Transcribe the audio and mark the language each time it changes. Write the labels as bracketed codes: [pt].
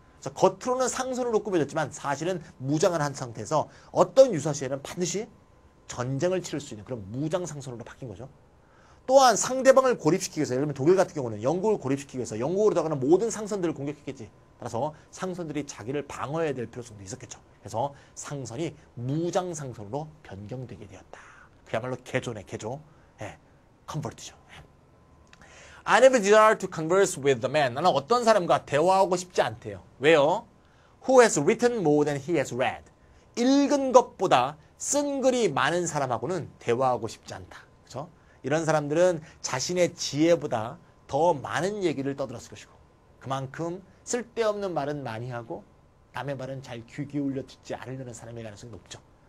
[ko] 그래서 겉으로는 상선으로 꾸며졌지만 사실은 무장을 한 상태에서 어떤 유사시에는 반드시 전쟁을 치를 수 있는 그런 무장 상선으로 바뀐 거죠. 또한 상대방을 고립시키기 위해서, 예를 들면 독일 같은 경우는 영국을 고립시키기 위해서 영국으로다가는 모든 상선들을 공격했겠지. 따라서 상선들이 자기를 방어해야 될 필요성도 있었겠죠. 그래서 상선이 무장 상선으로 변경되게 되었다. 그야말로 개조네, 개조. 예, 컨버트죠. [en] I never desire to converse with the man. [ko] 나는 어떤 사람과 대화하고 싶지 않대요. 왜요? [en] Who has written more than he has read. [ko] 읽은 것보다 쓴 글이 많은 사람하고는 대화하고 싶지 않다. 그렇죠? 이런 사람들은 자신의 지혜보다 더 많은 얘기를 떠들었을 것이고 그만큼 쓸데없는 말은 많이 하고 남의 말은 잘 귀 기울여 듣지 않으려는 사람의 가능성이 높죠.